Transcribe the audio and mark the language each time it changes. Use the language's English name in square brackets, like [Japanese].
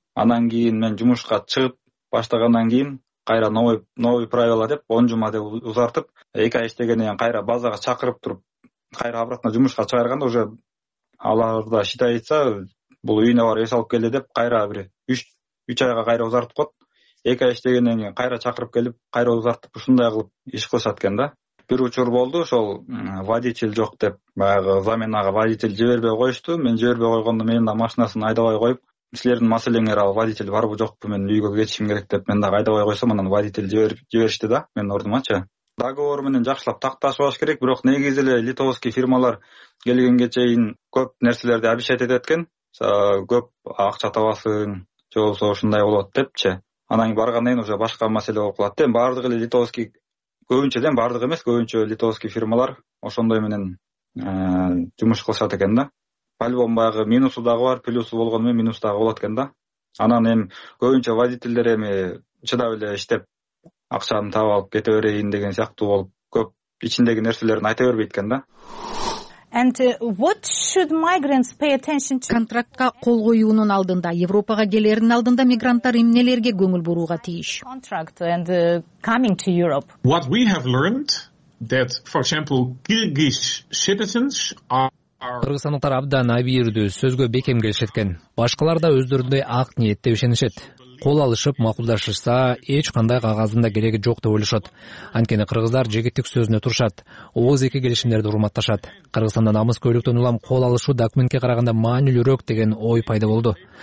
[Kyrgyz] Анан кийин мен жумушка чыгып баштагандан кийин кайра [Russian] новый правила [Kyrgyz] деп 10 жума деп узартып, 2 ай иштегенден кийин кайра базага чакырып туруп, кайра обратно жумушка чыгарганда уже аларда считается, бул үйүнө барып эс алып келди деп кайра бир 3 айга кайра узартып коет. 2 ай иштегенден кийин кайра чакырып келип, кайра узартып ушундай кылып иш кылышат экен да. Бир учур болду, ошол водитель жок деп баягы заменага водитель жибербей коюшту. Мен жибербей койгондо менин да машинасын айдабай коюп, силердин маселеңер ал водитель барбы жокпу, мен үйгө кетишим керек деп мен дагы айдабай койсом, анан водитель жиберишти да менин ордумачы. Договор менен жакшылап такташпаш керек, бирок негизи эле литовский фирмалар келгенге чейин көп нерселерди обещать этет экен, көп акча табасың же болбосо ушундай болот депчи. Анан кийин баргандан кийин уже башка маселе болуп калат. Эми баардыгы эле литовский, көбүнчө эле баардыгы эмес, көбүнчө литовский фирмалар ошондой менен жумуш кылышат экен да. По-любому баягы минусу дагы бар, плюсу болгону менен минусу дагы болот экен да. Анан эми көбүнчө водительдер эми чыдап эле иштеп акчаны таап алып кете берейин деген сыяктуу болуп, көп ичиндеги нерселерин айта бербейт экен да. [English] And what should migrants pay attention to? [Kyrgyz] Контрактка кол коюунун алдында, Европага келердин алдында мигранттар эмнелерге көңүл бурууга тийиш? [English] Contract and coming to Europe. What we have learned that, for example, Kyrgyz citizens are [Kyrgyz] Кыргызстандыктар абдан абийирдүү, сөзгө бекем келишет экен. Башкалар да өздөрүндөй ак ниетте ишенишет. Кол алышып макулдашышса, эч кандай кагаздын да кереги жок деп ойлошот. Анткени кыргыздар жегиттик сөзүнө турушат, ооз эки келишимдерди урматташат. Кыргызстанда намыс көйлөктөн улам кол алышуу документке караганда маанилүүрөөк деген ой пайда болду.